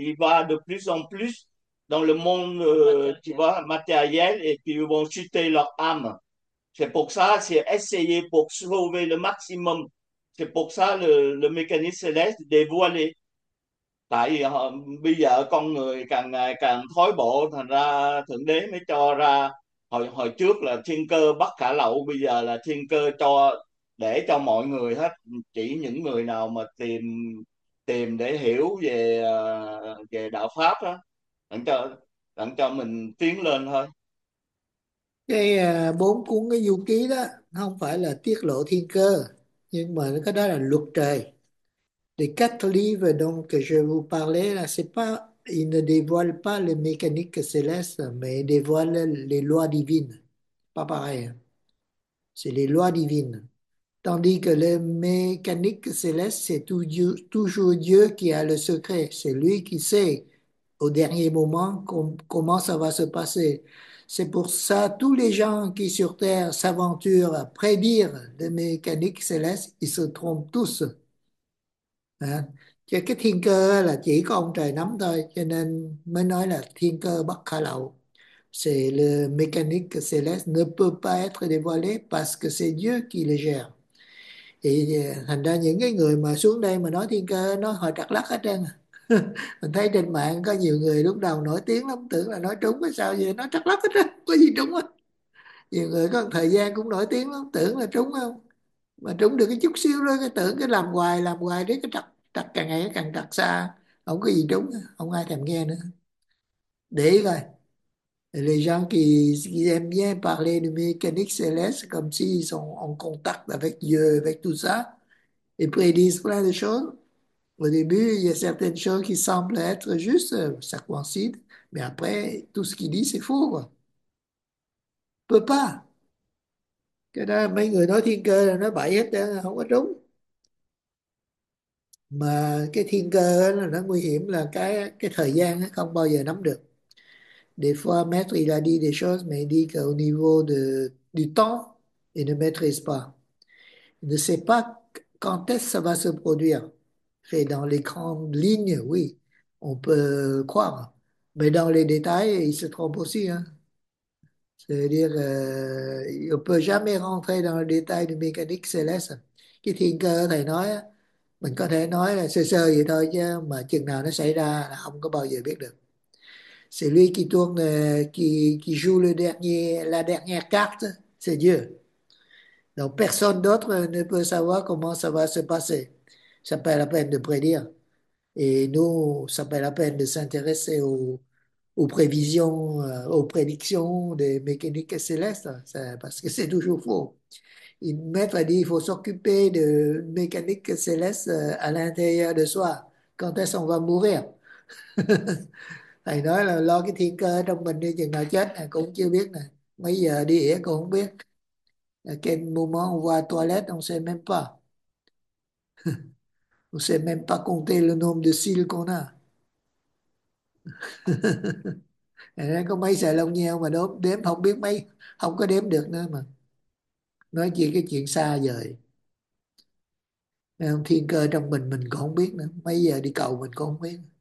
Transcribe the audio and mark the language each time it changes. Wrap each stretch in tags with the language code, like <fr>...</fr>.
<fr>Il va de plus en plus dans le monde, tu vois, matériel, et puis ils vont chuter leur âme. C'est pour ça, c'est essayer pour sauver le maximum. C'est pour ça le mécanisme céleste dévoilé.</fr> <vi>Tại bây giờ con người càng ngày càng thối bộ, thành ra Thượng Đế mới cho ra. Hồi hồi trước là thiên cơ bất khả lậu, bây giờ là thiên cơ để cho mọi người hết, chỉ những người nào mà tìm tìm để hiểu về về đạo pháp đó, đặng cho mình tiến lên thôi. cái bốn cuốn cái du ký đó không phải là tiết lộ thiên cơ, nhưng mà cái đó là luật trời.</vi> <fr>Les quatre livres dont que je vous parlais là c'est pas ils ne dévoilent pas les mécaniques célestes, mais ils dévoilent les lois divines. Pas pareil. C'est les lois divines. Tandis que les mécaniques célestes, c'est toujours Dieu qui a le secret. C'est lui qui sait au dernier moment comment ça va se passer. C'est pour ça, tous les gens qui sur Terre s'aventurent à prédire des mécaniques célestes, ils se trompent tous. Hein?</fr> <vi>Cái thiên cơ là chỉ có ông trời nắm thôi, cho nên mới nói là thiên cơ bất khả lậu.</vi> <fr>C'est le mécanique céleste ne peut pas être dévoilé parce que c'est Dieu qui le gère.</fr> <vi>Et thành ra những cái người mà xuống đây mà nói thiên cơ, nó hơi trật lắc hết trơn. Mình thấy trên mạng có nhiều người lúc đầu nổi tiếng lắm, tưởng là nói trúng hay sao vậy, nói chắc lắm hết á, có gì trúng á. Nhiều người có thời gian cũng nổi tiếng lắm, tưởng là trúng không, mà trúng được cái chút xíu đó, cái tưởng cái làm hoài đấy, cái trật trật càng ngày càng trật xa, không có gì trúng, không ai thèm nghe nữa. Để ý coi,</vi> <fr>les gens qui aiment bien parler de mécanique céleste comme si ils sont en contact avec Dieu, avec tout ça, ils prédisent plein de choses. Au début, il y a certaines choses qui semblent être justes, ça coïncide, mais après, tout ce qu'il dit, c'est faux, quoi. Peut pas.</fr> <vi>Cái đó, mấy người nói thiên cơ là nó bậy hết, không có trúng. mà cái thiên cơ đó, nó nguy hiểm là cái thời gian nó không bao giờ nắm được.</vi> <fr>Des fois, maître, il a dit des choses, mais il dit qu'au niveau du temps, il ne maîtrise pas. Il ne sait pas quand est-ce que ça va se produire. Et dans les grandes lignes, oui, on peut croire. Mais dans les détails, il se trompe aussi, hein. C'est-à-dire, on ne peut jamais rentrer dans le détail de mécanique céleste.</fr> <vi>Cái thiên cơ, thầy nói, mình có thể nói là sơ sơ vậy thôi, chứ mà chừng nào nó xảy ra là không có bao giờ biết được.</vi> <fr>C'est lui qui tourne, qui joue le dernier, la dernière carte, c'est Dieu. Donc personne d'autre ne peut savoir comment ça va se passer. Ça pas la peine de prédire. Et nous, ça pas la peine de s'intéresser aux prévisions, aux prédictions des mécaniques célestes, parce que c'est toujours faux. Il maître a dit il faut s'occuper de mécanique céleste à l'intérieur de soi. Quand est-ce qu'on va mourir?</fr> <vi>Thầy nói là lo cái thiên cơ trong mình đi, chừng nào chết này, cũng chưa biết này. Mấy giờ đi ỉa cũng không biết.</vi> <fr>À, quel moment on va toilette, on sait même pas. On sait même pas compter le nombre de cils qu'on a.</fr> <vi>Thầy nói có mấy sợi lông nheo mà đốm, đếm không biết mấy, không có đếm được nữa mà. Nói chi cái chuyện xa vời. Thiên cơ trong mình cũng không biết nữa. Mấy giờ đi cầu mình cũng không biết.</vi>